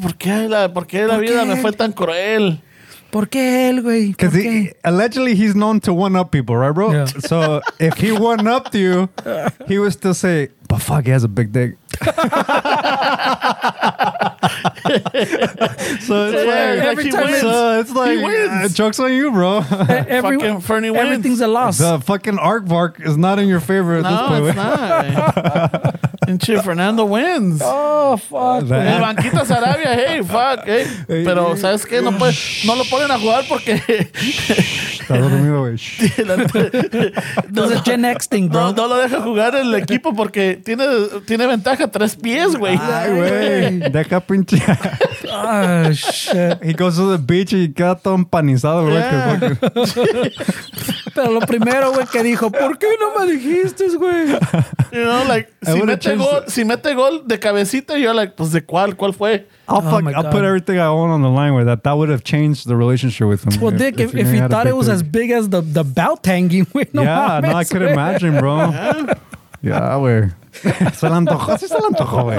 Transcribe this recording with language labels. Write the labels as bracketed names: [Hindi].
[Spanish] ¿Por qué la vida me fue tan cruel? ¿Por qué él, güey? [English] Because allegedly he's known to one-up people, right, bro? Yeah. So if he one-upped you, he would still say, but fuck, he has a big dick. So it's he wins. Joke's on you, bro. Fucking Fernie wins. Everything's a loss. The fucking aardvark is not in your favor at this point. No, it's not. And Chief Fernando wins. Oh, fuck. [Spanish] El Banquita Sarabia, [English] hey, fuck. Hey. [Spanish] Pero, ¿sabes qué? No, puede, no lo ponen a jugar porque... Está dormido, güey. [English] Does a Gen X thing, bro. [Spanish] No lo deja jugar el equipo porque tiene ventaja 3 pies, güey. Ay, güey. Deja pinche. [English] Oh, shit. He goes to the beach [Spanish] y queda todo empanizado, güey. [English] Yeah. [Spanish] Pero lo primero, güey, que dijo, ¿por qué no me dijiste, güey? [English] You know, like, [Spanish] si mete gol de cabecita, [English] you're like, [Spanish] pues, ¿de cuál? ¿Cuál fue? [English] I'll put everything I own on the line with that would have changed the relationship with him. Well, Dick, if he thought it was as big as the belt hanging, I could imagine, bro. Yeah, we're... [Spanish] Se lo antojó. Sí se lo antojó, güey.